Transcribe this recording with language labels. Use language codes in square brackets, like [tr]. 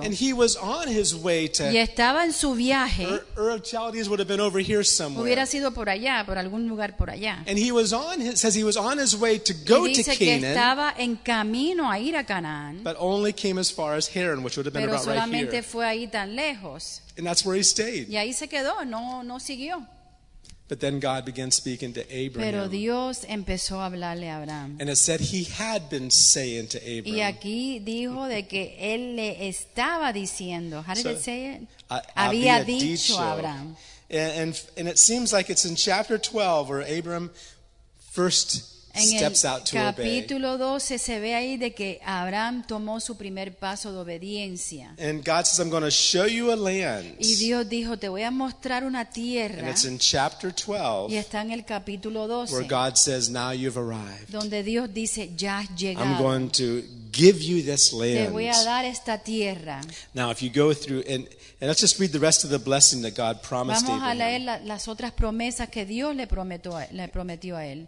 [en] And he was on his way to. [es] Y estaba en su viaje. [en] Ur of Chaldees would have been over here somewhere. [es] Hubiera sido por allá, por algún lugar por allá. [en] And he was on his, says he was on his way to go to Canaan. [es] Y dice que estaba en camino a ir a Canaán. [en] But only came as far as Haran, which would have been about right here. [es] Pero solamente fue ahí tan lejos. [en] And that's where he stayed. [es] Y ahí se quedó, no siguió. [en] But then God began speaking to Abraham. [es] Pero Dios empezó a hablarle a Abraham. [en] And it said he had been saying to Abraham. [es] Y aquí dijo de que él le estaba diciendo. [en] How did it say it? [es] Había dicho a Abraham. [en] And it seems like it's in chapter 12 where Abraham first steps out to obey. [es] En el capítulo 12 se ve ahí de que Abraham tomó su primer paso de obediencia. [en] And God says, I'm going to show you a land. [es] Y Dios dijo, te voy a mostrar una tierra. [en] And it's in chapter 12. [es] Y está en el capítulo 12. [en] Where God says, now you've arrived. [es] Donde Dios dice, ya has llegado. [en] I'm going to give you this land. [es] Te voy a dar esta tierra. [en] Now if you go through and let's just read the rest of the blessing that God promised Abraham. [es] Vamos a leer las otras promesas que Dios le prometió a él.